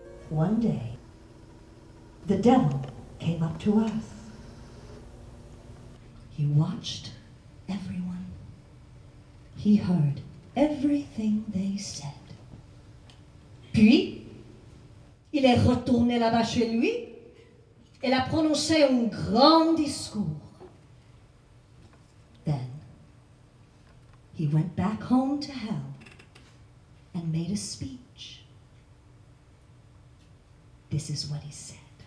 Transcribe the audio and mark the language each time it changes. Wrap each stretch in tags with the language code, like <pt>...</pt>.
<en>One day, the devil came up to us. He watched everyone. He heard everything they said.</en> <fr>Puis, il est retourné là-bas chez lui. Elle a prononcé un grand discours.</fr> <en>Then, he went back home to hell and made a speech. This is what he said.</en>